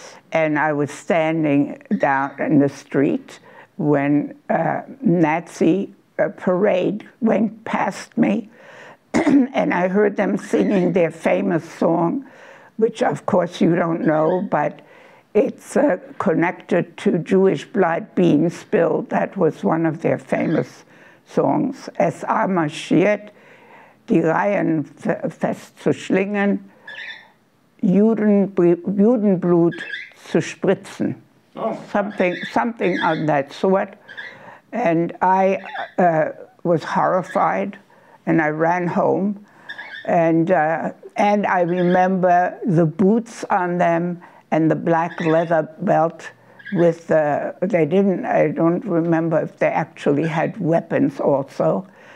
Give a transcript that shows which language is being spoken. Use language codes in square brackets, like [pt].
[en] And I was standing down in the street when Nazi parade went past me. And I heard them singing their famous song, which of course you don't know, but it's connected to Jewish blood being spilled. That was one of their famous songs. [de] Es marschiert die Reihen fest zu schlingen, Judenblut zu spritzen. [en] Something of that sort. And I was horrified, and I ran home. And I remember the boots on them and the black leather belt with the, I don't remember if they actually had weapons also.